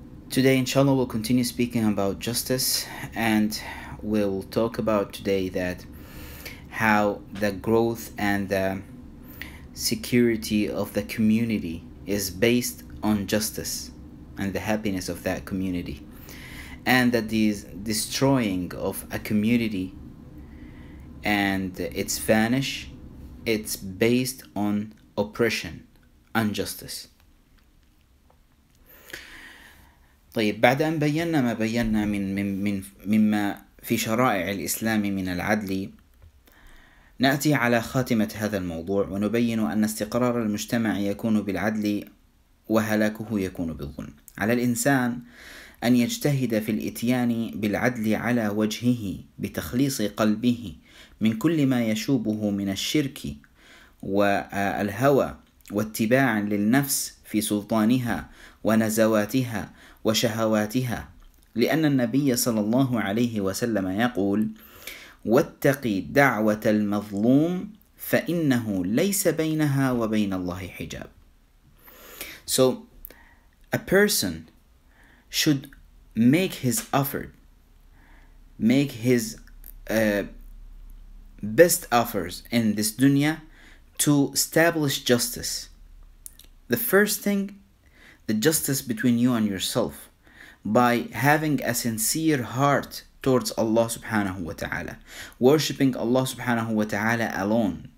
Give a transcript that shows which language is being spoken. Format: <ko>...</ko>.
<en>Today, inshallah, we'll continue speaking about justice, and we'll talk about today that how the growth and the security of the community is based on justice and the happiness of that community, and that the destroying of a community and its vanish, it's based on oppression, injustice.</en> <ar>طيب، بعد أن بينا ما بينا من من من مما في شرائع الإسلام من العدل، نأتي على خاتمة هذا الموضوع ونبين أن استقرار المجتمع يكون بالعدل وهلاكه يكون بالظلم. على الإنسان أن يجتهد في الإتيان بالعدل على وجهه، بتخليص قلبه من كل ما يشوبه من الشرك والهوى، واتباعا للنفس في سلطانها ونزواتها وشهواتها، لأن النبي صلى الله عليه وسلم يقول: واتقي دعوة المظلوم فإنه ليس بينها وبين الله حجاب.</ar> <en>So a person should make his effort, make his best efforts in this dunya to establish justice. The first thing, the justice between you and yourself, by having a sincere heart towards Allah subhanahu wa ta'ala, worshipping Allah subhanahu wa ta'ala alone.</en>